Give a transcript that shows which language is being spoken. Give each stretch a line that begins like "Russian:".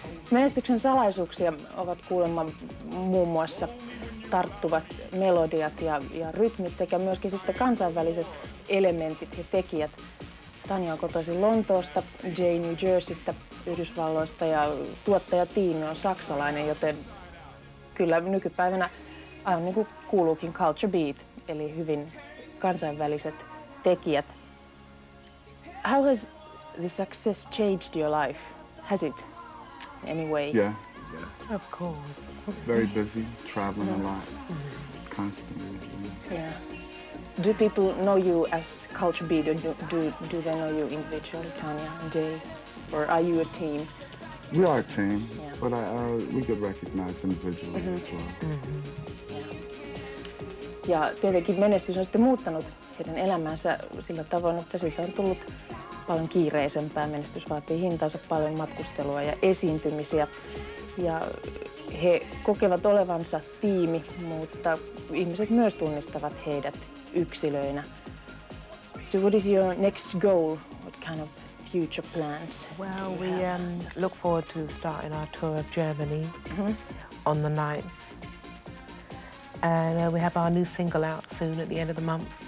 Finnish: Menestyksen salaisuuksia ovat kuulemma muun muassa tarttuvat melodiat ja rytmit sekä myöskin sitten kansainväliset elementit ja tekijät. Tanja on kotoisin Lontoosta, Jay New Jerseystä, Yhdysvalloista ja tuottajatiimi on saksalainen, joten kyllä nykypäivänä aivan niin kuin kuuluukin Culture Beat, eli hyvin kansainväliset tekijät.
English: How has the success changed your life? Has it, anyway? Yeah. Of course. Very busy, traveling a lot, constantly. Yeah. Do people know you as Culture Beat, or do they know you individually, Tanya and Jay, or are you a team? We are a team, yeah. But we get recognized individually as well.
Finnish: Ja tietenkin menestys on sitten muuttanut heidän elämänsä sillä tavoin, että siitä on tullut paljon kiireisempää. Menestys vaatii hintansa paljon matkustelua ja esiintymisiä. Ja he kokevat olevansa tiimi, mutta ihmiset myös tunnistavat heidät yksilöinä.
English: So what is your next goal? What kind of future plans? Well, we look forward to starting our tour of Germany on the 9th. And we have our new single out soon at the end of the month.